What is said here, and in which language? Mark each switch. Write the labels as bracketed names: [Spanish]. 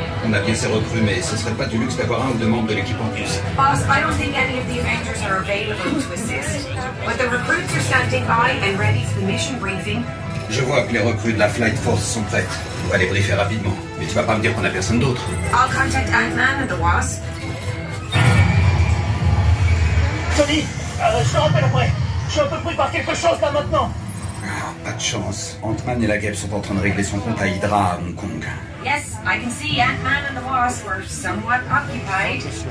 [French] On a bien ses recrues, mais ce serait pas du luxe d'avoir un ou deux membres de l'équipe en plus. [English] Boss, I don't think any of the Avengers are available to assist. But the recruits are standing by and ready for the mission briefing. [French] Je vois que les recrues de la Flight Force sont prêtes. On va les briefer rapidement. Mais tu vas pas me dire qu'on a personne d'autre. [English] I'll contact Ant-Man and the Wasp. [French] Tony, je rappelle après. Je suis un peu pris par quelque chose là maintenant. Pas de chance. Ant-Man et la Guêpe sont en train de régler son compte à Hydra à Hong Kong. [English] Yes, I can see Ant-Man and the Wasp were somewhat occupied.